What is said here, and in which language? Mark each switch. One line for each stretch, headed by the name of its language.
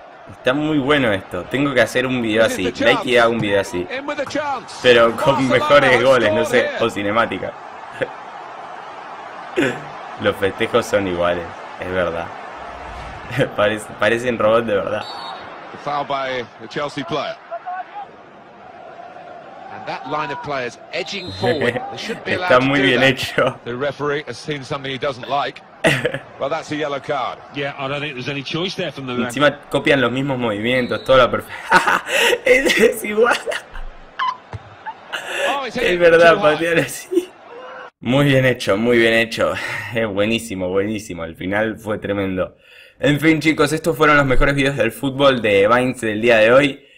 Spanish: Está muy bueno esto. Tengo que hacer un video así. Like y hago un video así. Pero con mejores goles, no sé. O cinemática. Los festejos son iguales. Es verdad. Parecen robots de verdad.
English: Foul by a Chelsea player. That line of players edging forward.
Spanish: Está muy bien hecho.
English: The referee has seen something he doesn't like. Well, that's a yellow card. Yeah, I don't think there's any choice there from the.
Spanish: Encima copian los mismos movimientos, toda la perfección. Es igual. Es verdad, patear así. Muy bien hecho, muy bien hecho. Es buenísimo, buenísimo. El final fue tremendo. En fin, chicos, estos fueron los mejores videos del fútbol de Vines del día de hoy.